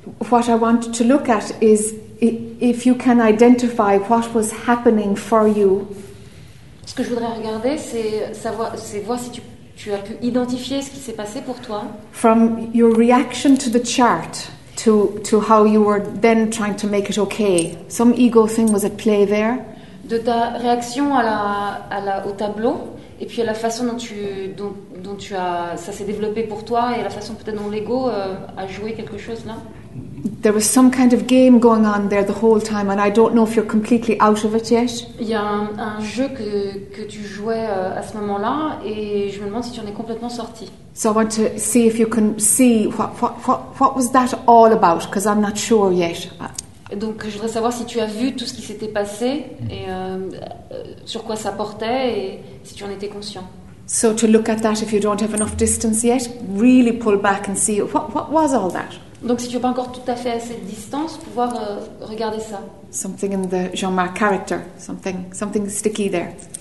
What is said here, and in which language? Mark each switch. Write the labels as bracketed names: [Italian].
[English] What I want to look at is if you can identify what was happening for you. [French] Ce que je voudrais regarder, c'est voir si tu as pu identifier ce qui s'est passé pour toi. [English] From your reaction to the chart, to how you were then trying to make it okay. Some ego thing was at play there. [French] De ta réaction au tableau. Et puis la façon dont tu as ça s'est développé pour toi et la façon peut-être dont l'ego a joué quelque chose là. [English] There was some kind of game going on there the whole time, and I don't know if you're completely out of it yet. [French] Il y a un jeu que tu jouais à ce moment-là et je me demande si tu en es complètement sorti. [English] So I want to see if you can see what was that all about, because I'm not sure yet. [French] Donc je voudrais savoir si tu as vu tout ce qui s'était passé et sur quoi ça portait et si tu en étais conscient. [English] So to look at that if you don't have enough distance yet, really pull back and see what was all that. [French] Donc si tu n'as pas encore tout à fait assez de distance pour pouvoir regarder ça. [English] Something in the Jean-Marc character, something sticky there.